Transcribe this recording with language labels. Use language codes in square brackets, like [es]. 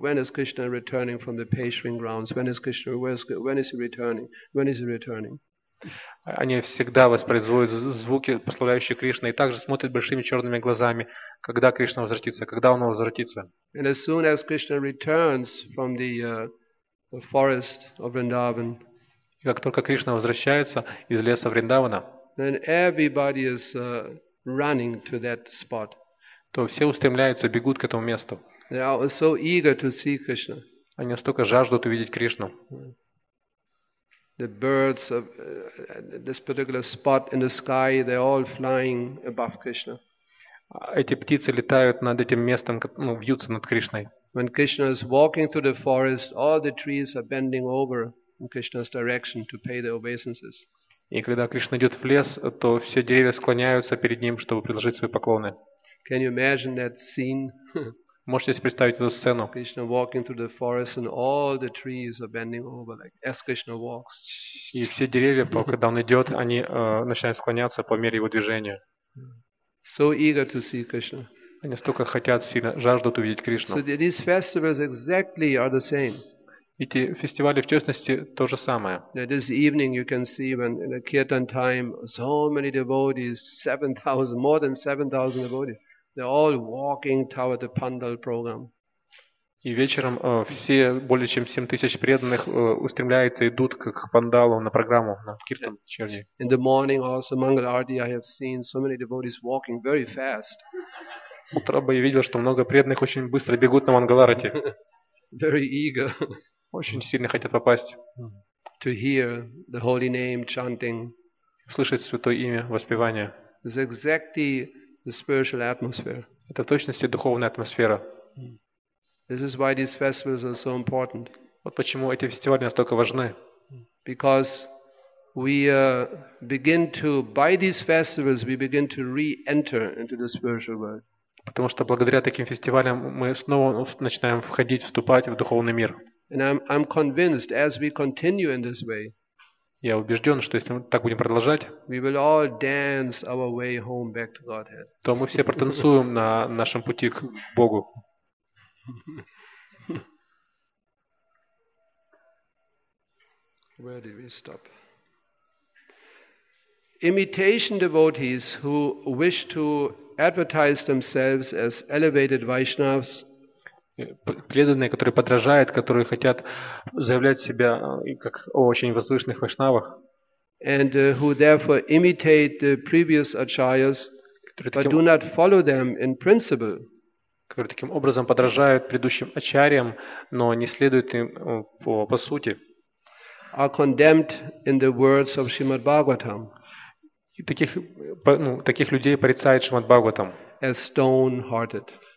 [en] When is Krishna returning from the pasturing grounds? When is Krishna? When is he returning? When is he returning? [ru] Они всегда воспроизводят звуки, прославляющие Кришну, и также смотрят большими черными глазами, когда Кришна возвратится, когда Он возвратится. [en] And as soon as Krishna returns from the forest of Vrindavan, [ru] и как только Кришна возвращается из леса Вриндавана, [en] then everybody is running to that spot. [ru] То все устремляются, бегут к этому месту. [en] They are so eager to see Krishna. [ru] Они настолько жаждут увидеть Кришну. [en] The birds of this particular spot in the sky, they're all flying above Krishna. [ru] Эти птицы летают над этим местом, ну, вьются над Кришной. [en] When Krishna is walking through the forest, all the trees are bending over in Krishna's direction to pay their obeisances. [ru] И когда Кришна идет в лес, то все деревья склоняются перед ним, чтобы предложить свои поклоны. [en] Can you imagine that scene? [ru] Можете себе представить эту сцену? [en] Krishna walking through the forest and all the trees are bending over like as Krishna walks. [ru] И все деревья, когда он идет, они начинают склоняться по мере его движения. [en] So eager to see Krishna. [ru] Они столько хотят, сильно жаждут увидеть Кришну. [en] So these festivals exactly are the same. [ru] Эти фестивали в частности то же самое. [en] Now this evening you can see when in the kirtan time so many devotees, 7,000, more than 7,000 devotees. They're all walking toward the Pandal program. [ru] И вечером все более чем 7000 преданных устремляются, идут к Пандалу на программу, на киртан. [en] In the morning also, Mangal Arati, I have seen so many devotees walking very fast. [ru] Утром бы я видел, что много преданных очень быстро бегут на Мангал Арати. [en] Very eager. [ru] Очень сильно хотят попасть. [en] To hear the holy name chanting. [ru] Слышать святое имя, воспевание. [en] It's exactly the spiritual atmosphere. [ru] Это в точности духовная атмосфера. [en] This is why these festivals are so important. [ru] Вот почему эти фестивали настолько важны. [en] Because we begin to, by these festivals, we begin to re-enter into the spiritual world. [ru] Потому что благодаря таким фестивалям мы снова начинаем входить, вступать в духовный мир. [en] And I'm convinced as we continue in this way. [ru] Я убежден, что если мы так будем продолжать, [en] we will all dance our way home back to Godhead. [ru] То мы все протанцуем на нашем пути к Богу. [en] Where did we stop? Imitation devotees who wish to advertise themselves as elevated Vaishnavas. [ru] Преданные, которые подражают, которые хотят заявлять себя как о очень возвышенных вайшнавах, [en] and who therefore imitate the previous acharyas, but do not follow them in principle. [ru] Которые таким образом подражают предыдущим ачарьям, но не следуют им по сути. [en] Are condemned in the words of Shrimad Bhagavatam. [ru] И таких, ну, таких людей порицает Шримад Бхагаватам. [en] As stone-hearted.